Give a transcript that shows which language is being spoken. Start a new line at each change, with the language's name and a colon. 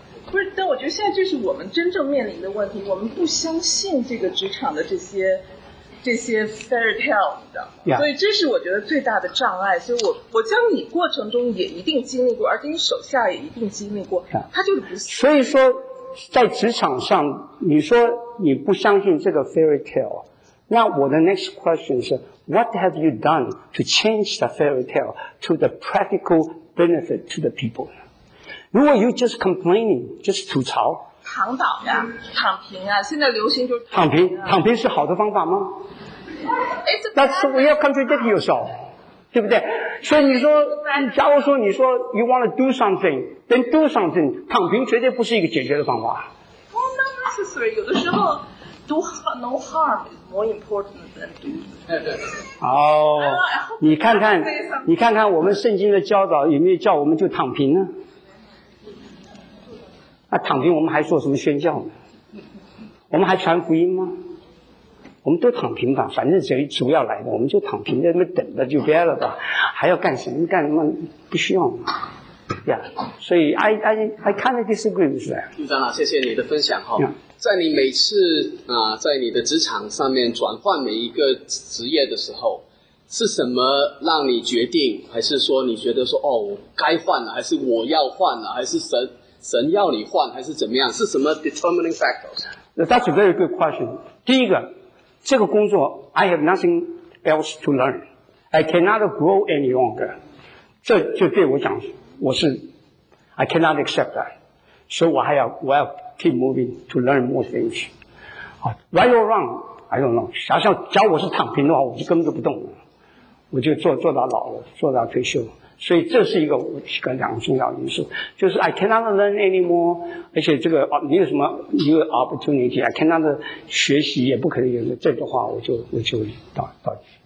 Chinese: 不是，但我觉得现在这是我们真正面临的问题。我们不相信这个职场的这些 fairy tale 的，
English: yeah.
Chinese: 所以这是我觉得最大的障碍。所以我将你过程中也一定经历过，而且你手下也一定经历过。
English: Yeah.
Chinese: 他就是不信。所以说，在职场上，你说你不相信这个 fairy tale， 那我的 next question 是。
English: What have you done to change the fairy tale to the practical benefit to the people?
Chinese: 如果
English: you just complaining, just
Chinese: 吐槽，躺倒呀，躺平啊，现在流行就是躺平。躺平是好的方法吗？
English: That's we are contradicting yourself,
Chinese: 对不对？所以你说，假如说你说
English: you want to do something,
Chinese: then do something, 躺平绝对不是一个解决的方法。
English: Well, not necessary.
Chinese: 有的时候
English: do no harm is more important than do.
Chinese: 哦、oh, ，你看看，你看看我们圣经的教导有没有叫我们就躺平呢？那躺平我们还做什么宣教呢？我们还传福音吗？我们都躺平吧，反正谁主要来的，我们就躺平在那边等着就别了吧，还要干什么干什么？不需要嘛。
English: Yeah,
Chinese: 所以
English: I kind of disagree with that.
Chinese: 张老，谢谢你的分享哈。
English: Yeah.
Chinese: 在你每次在你的职场上面转换每一个职业的时候，是什么让你决定？还是说你觉得说哦，该换了，还是我要换了，还是神要你换，还是怎么样？是什么 determining factors?
English: That's a very good question.
Chinese: 第一个，这个工作
English: I have nothing else to learn. I cannot grow any longer.
Chinese: 这就对我讲，我是
English: I cannot accept that.
Chinese: 所以我要。
English: Keep moving to learn more things. Right or wrong, I don't know.
Chinese: 假如我是躺平的话，我就根本就不动了，我就做到老了，做到退休。所以这是一个两个重要因素，就是
English: I cannot learn anymore.
Chinese: 而且这个没有什么
English: new opportunity. I cannot
Chinese: 学习，也不可能有这样的话，我就到 yeah.